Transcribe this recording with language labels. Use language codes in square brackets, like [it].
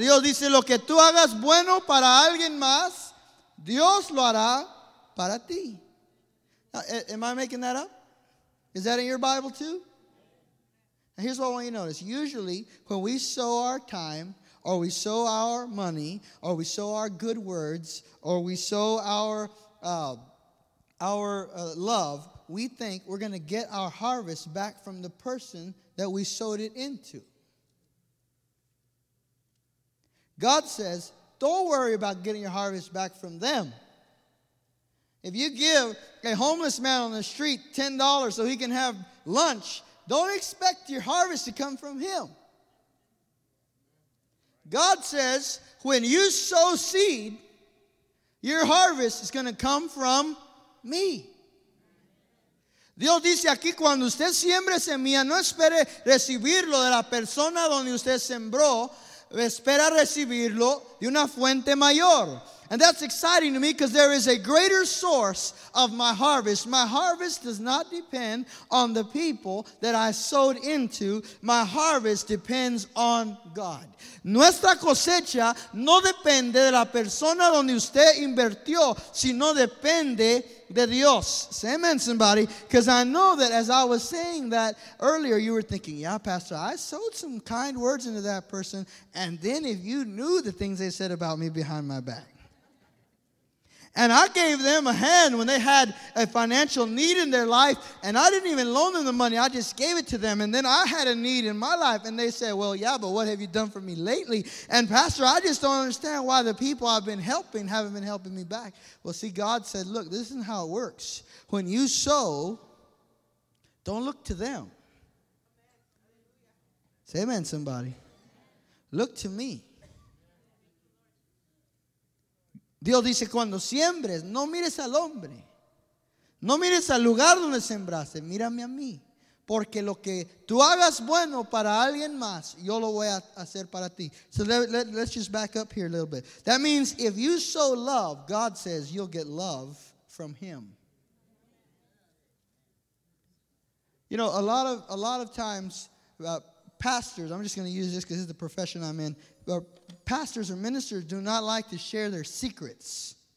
[es] Dios dice, lo que tú hagas bueno para alguien más, Dios lo hará para ti. [en] Am I making that up? Is that in your Bible too? Now here's what I want you to notice. Usually when we sow our time, or we sow our money, or we sow our good words, or we sow our love, we think we're going to get our harvest back from the person that we sowed it into. God says, don't worry about getting your harvest back from them. If you give a homeless man on the street $10 so he can have lunch, don't expect your harvest to come from him. God says, when you sow seed, your harvest is going to come from me. [es] Dios dice aquí, cuando usted siembre semilla, no espere recibirlo de la persona donde usted sembró, espera recibirlo de una fuente mayor. [en] And that's exciting to me because there is a greater source of my harvest. My harvest does not depend on the people that I sowed into. My harvest depends on God. [es] Nuestra cosecha no depende de la persona donde usted invirtió, sino depende de Dios. [en] Say amen, somebody. Because I know that as I was saying that earlier, you were thinking, yeah, Pastor, I sowed some kind words into that person. And then if you knew the things they said about me behind my back. And I gave them a hand when they had a financial need in their life, and I didn't even loan them the money. I just gave it to them, and then I had a need in my life, and they said, well, yeah, but what have you done for me lately? And, Pastor, I just don't understand why the people I've been helping haven't been helping me back. Well, see, God said, look, this is how it works. When you sow, don't look to them. Say amen, somebody. Look to me. [es] Dios dice, cuando siembres, no mires al hombre. No mires al lugar donde sembraste, mírame a mí. Porque lo que tú hagas bueno para alguien más, yo lo voy a hacer para ti. [en] So let's just back up here a little bit. That means if you sow love, God says you'll get love from him. You know, a lot of times, pastors, I'm just going to use this because this is the profession I'm in, but pastors or ministers do not like to share their secrets.